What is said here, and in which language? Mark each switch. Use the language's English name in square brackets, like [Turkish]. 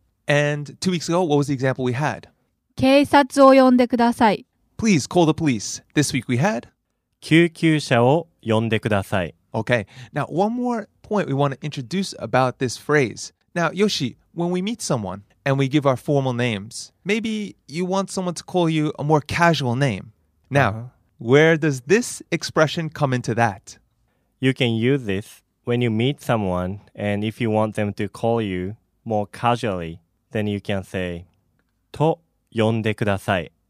[English] And 2 weeks ago, what was the example we had? [Japanese] 警察を呼んでください。 [English] Please call the police. This week we had? [Japanese] 救急車を呼んでください。 [English] Okay. Now, one more point we want to introduce about this phrase. Now, Yoshi, when we meet someone and we give our formal names, maybe you want someone to call you a more casual name. Now, Where does this expression come into that? You can use this when you meet someone and if you want them to call you more casually, then you can say, [Japanese] と呼んでください.